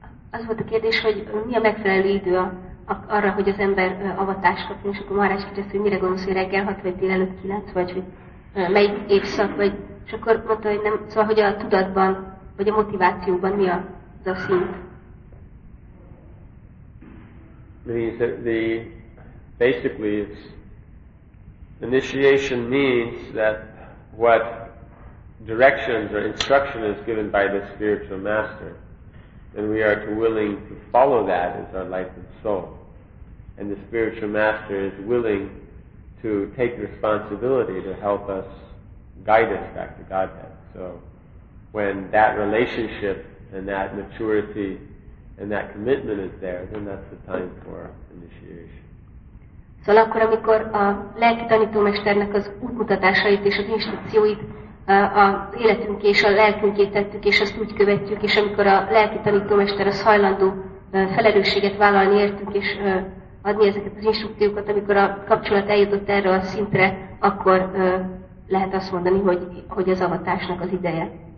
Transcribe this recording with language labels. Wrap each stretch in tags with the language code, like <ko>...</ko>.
<hu>az volt a kérdés, hogy mi a megfelelő idő arra, hogy az ember avatást kapjon, és akkor Maharaj kérdezte, hogy mire gondolsz, hogy reggel 6 vagy délelőtt 9, vagy hogy melyik évszak, vagy, és akkor mondta, hogy nem, szóval, hogy a tudatban, vagy a motivációban mi az a szint.</hu> <en>Basically, it's initiation means that what directions or instruction is given by the spiritual master, then we are willing to follow that as our life and soul. And the spiritual master is willing to take responsibility to help us, guide us back to Godhead. So when that relationship and that maturity and that commitment is there, then that's the time for initiation.</en> <hu>Szóval akkor, amikor a lelki tanítómesternek az útmutatásait és az instrukcióit az életünk és a lelkünkét tettük, és azt úgy követjük, és amikor a lelki tanítómester az hajlandó felelősséget vállalni értünk, és adni ezeket az instrukciókat, amikor a kapcsolat eljutott erre a szintre, akkor lehet azt mondani, hogy az avatásnak az ideje.</hu>